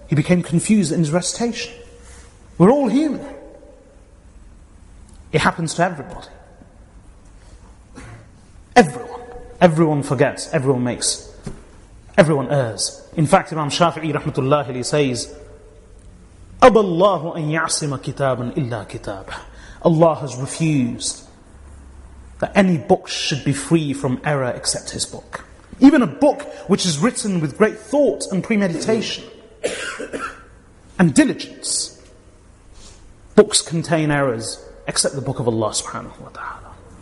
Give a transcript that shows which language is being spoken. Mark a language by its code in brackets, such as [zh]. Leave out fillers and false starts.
[en] He became confused in his recitation. We're all human. It happens to everybody. Everyone forgets, everyone errs. In fact, Imam Shafi'i rahmatullahi says, [ar] أَبَى اللَّهُ أَنْ يَعْصِمَ كِتَابًا إِلَّا كِتَابًا. [en] Allah has refused that any book should be free from error except His book. Even a book which is written with great thought and premeditation and diligence. Books contain errors except the book of Allah subhanahu wa ta'ala.